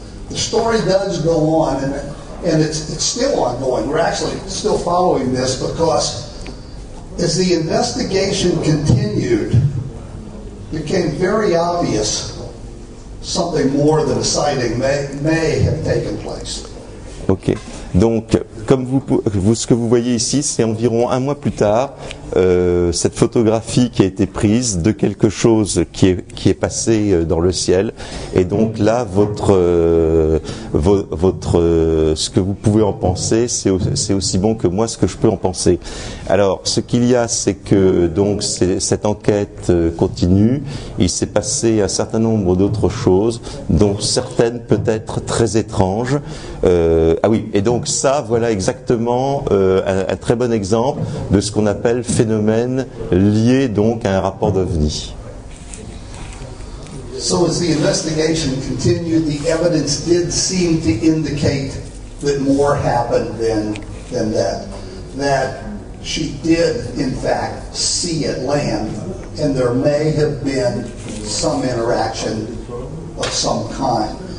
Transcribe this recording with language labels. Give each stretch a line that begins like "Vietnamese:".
English: The story does go on, and it's still ongoing. We're actually still following this because as the investigation continued, it became very obvious something more than a sighting may have taken place. Ok.
French: Donc, comme ce que vous voyez ici, c'est environ un mois plus tard, cette photographie qui a été prise de quelque chose qui est passé dans le ciel. Et donc là, ce que vous pouvez en penser, c'est aussi bon que moi ce que je peux en penser. Alors, ce qu'il y a, c'est que donc cette enquête continue. Il s'est passé un certain nombre d'autres choses, dont certaines peut-être très étranges. Donc ça, voilà exactement un très bon exemple de ce qu'on appelle phénomène lié donc à un rapport d'OVNI.
English: So as the investigation continued, the evidence did seem to indicate that more happened than that. That she did, in fact, see it land, and there may have been some interaction of some kind.